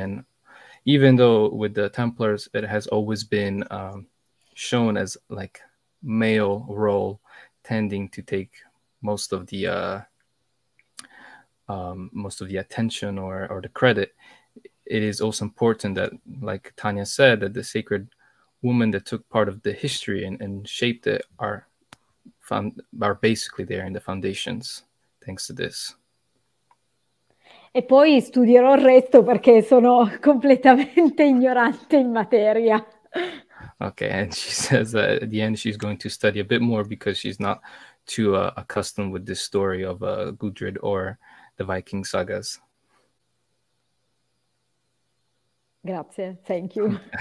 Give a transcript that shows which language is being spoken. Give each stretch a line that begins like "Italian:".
English: And even though with the Templars, it has always been shown as like male role tending to take most of the attention or the credit, it is also important that, like Tanya said, that the sacred women that took part of the history and shaped it are basically there in the foundations, thanks to this.
Italian: E poi studierò il resto perché sono completamente ignorante in materia.
English: Okay, and she says that at the end she's going to study a bit more because she's not too accustomed with this story of Gudrid or the Viking sagas.
Italian: Grazie,
English: thank you.